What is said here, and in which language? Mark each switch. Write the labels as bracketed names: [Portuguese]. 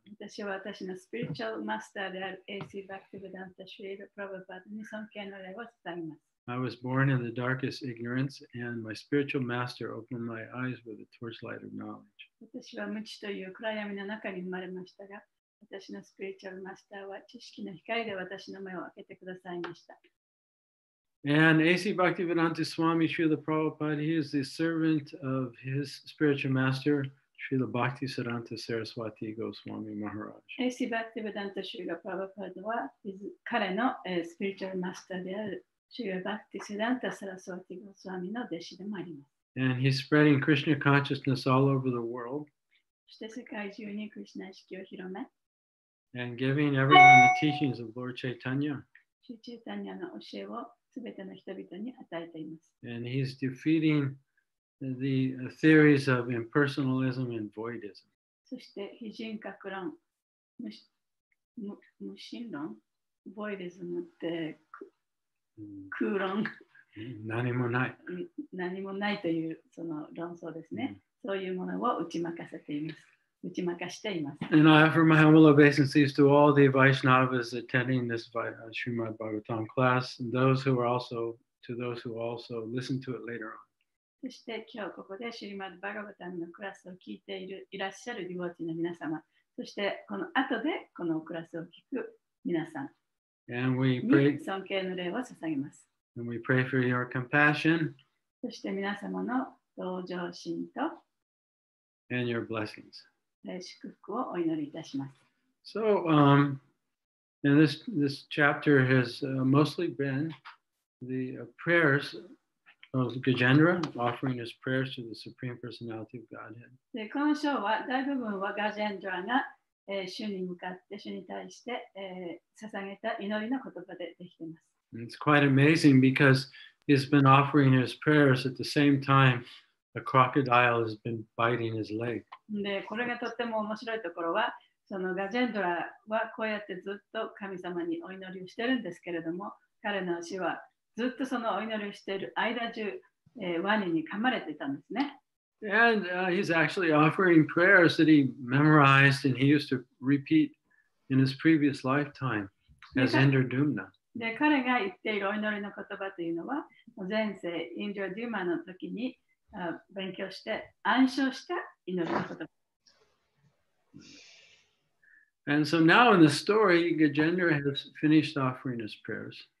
[Japanese] 私は私のスピリチュアルマスターである A.C. Bhaktivedanta Srila Prabhupada に尊敬の礼を伝えます。 [English] I was born in the darkest ignorance, and my spiritual master opened my eyes with a torchlight of knowledge. [Japanese] 私は無知という暗闇の中に生まれましたが、私のスピリチュアルマスターは知識の光で私の目を開けてくださいました。 [English] And A.C. Bhaktivedanta Swami Srila Prabhupada, he is the servant of his spiritual master, Srila Bhakti Siddhanta Saraswati Goswami Maharaj. [Japanese] A.C. Bhaktivedanta Srila Prabhupada [English] is [Japanese] 彼の [English] spiritual master [Japanese] である Srila Bhakti Siddhanta Saraswati Goswami の弟子でもあります。 [English] And he's spreading Krishna consciousness all over the world. [Japanese] そして世界中にクリシュナ意識を広め。 [English] And giving everyone the teachings of Lord Chaitanya. [Japanese] シュチャイタニアの教えを全ての人々に与えています。 [English] And he's defeating the theories of impersonalism and voidism. [Japanese] そして非人格論、無心論、voidism って空論。何もない。何もないというその論争ですね。そういうものを打ち負かせています。打ち負かしています。 [English] And I offer my humble obeisances to all the Vaishnavas attending this Srimad Bhagavatam class, and those who also listen to it later on. [Japanese] そして今日ここでシュリマドバガヴァタムのクラスを聞いているいらっしゃるディボーティの皆様、そしてこの後でこのクラスを聞く皆さん、尊敬の礼を捧げます。 [English] And we pray for your compassion. [Japanese] そして皆様の同情心と、 [English] and your blessings. [Japanese] 祝福をお祈りいたします。 [English] So, and this chapter has mostly been the prayers of Gajendra offering his prayers to the Supreme Personality of Godhead. [Japanese] で、この章は大部分はガジェンドラが、主に向かって主に対して、捧げた祈りの言葉でできています。 [English] And it's quite amazing because he's been offering his prayers at the same time. A crocodile has been biting his leg. [Japanese] で、これがとっても面白いところは、そのガジェンドラはこうやってずっと神様にお祈りをしてるんですけれども、彼の足はずっとそのお祈りをしている間中、ワニに噛まれていたんですね。 [English] And he's actually offering prayers that he memorized and he used to repeat in his previous lifetime as Indradumna. [Japanese] で、彼が言っているお祈りの言葉というのは、前世インドラデューマの時に勉強して暗唱した祈りのこと。 [English] And so now in the story, Gajendra has finished offering his prayers.